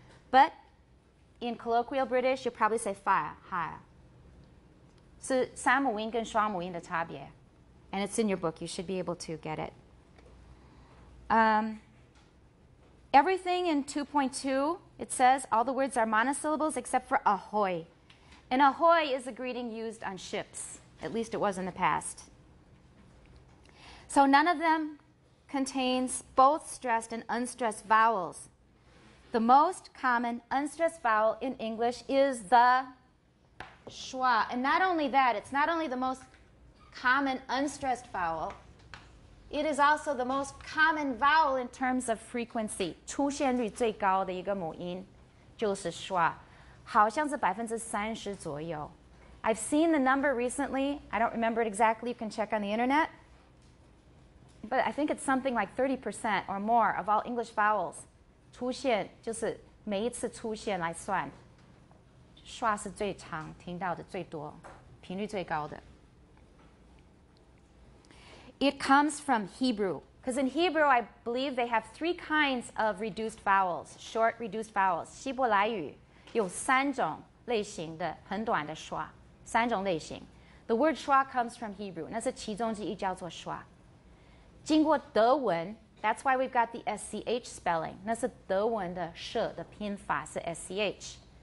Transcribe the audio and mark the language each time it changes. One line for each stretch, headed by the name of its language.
English: But in colloquial British, you'll probably say faya, haya.
Chinese: So, 三母音跟双母音的差别.
English: And it's in your book, you should be able to get it. Everything in 2.2, it says, all the words are monosyllables except for ahoy. And ahoy is a greeting used on ships. At least it was in the past. So none of them contains both stressed and unstressed vowels. The most common unstressed vowel in English is the schwa. And not only that, it's not only the most common unstressed vowel. It is also the most common vowel in terms of frequency.
Chinese: 出现率最高的一个母音就是 schwa， 好像是 30% 左右。
English: I've seen the number recently. I don't remember it exactly. You can check on the internet. But I think it's something like 30% or more of all English vowels.
Chinese: 出现就是每一次出现来算 ，schwa 是最常听到的最多，频率最高的。
English: It comes from Hebrew, because in Hebrew, I believe they have three kinds of reduced vowels, short reduced vowels.
Chinese: 希伯来语有三种类型的很短的 schwa, 三种类型。
English: The word schwa comes from Hebrew,
Chinese: 那是其中之一叫做 schwa. 经过德文
English: that's why we've got the SCH spelling,
Chinese: 那是德文的 sh 的拼法是 SCH.